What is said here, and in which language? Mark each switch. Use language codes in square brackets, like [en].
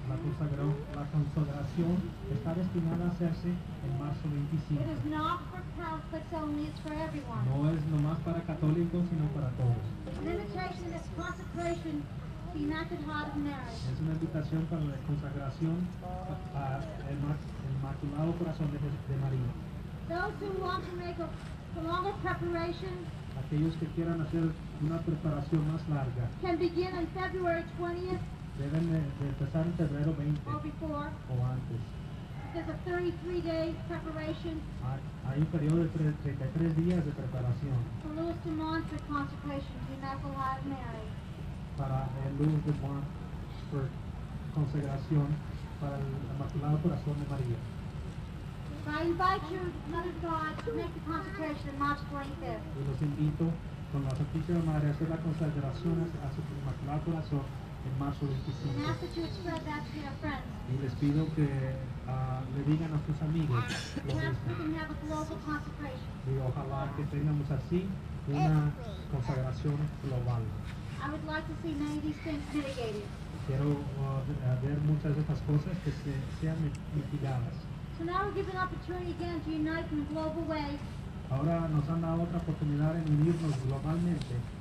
[es] La consagración está destinada a hacerse en marzo 25. [en] It is not for Catholics only, it's for everyone. [es] No es nomás para católicos, sino para todos. [en] An invitation is consecration to the Immaculate Heart of Mary. [es] Es una invitación para la consagración el Inmaculado Corazón de María. [en] Those who want to make a longer preparation. [es] Aquellos que quieran hacer una preparación más larga. [en] Can begin on February 20th. [es] Deben de empezar en febrero 20. [en] Or before. [es] O antes. [en] There's a 33-day preparation. [es] Hay un periodo de 33 días de preparación. [en] For Louis de Montfort consecration to the Immaculate Heart of Mary. [es] para el Lourdes Mar, por consagración para el Inmaculado Corazón de María. [en] I invite you, Mother God, to make the consecration on March 25th. And ask that you spread that to your friends. [es] Y les pido que, le digan a sus amigos. [en] Ask that you spread that to your friends. [es] Les pido que le digan a sus amigos. Y ojalá que tengamos así una consagración global. [en] I would like to see many of these things mitigated. [es] Quiero ver muchas de estas cosas que sean mitigadas. [en] So now we'll give an opportunity again to unite in a global way. [es] Ahora nos han dado otra oportunidad en unirnos globalmente.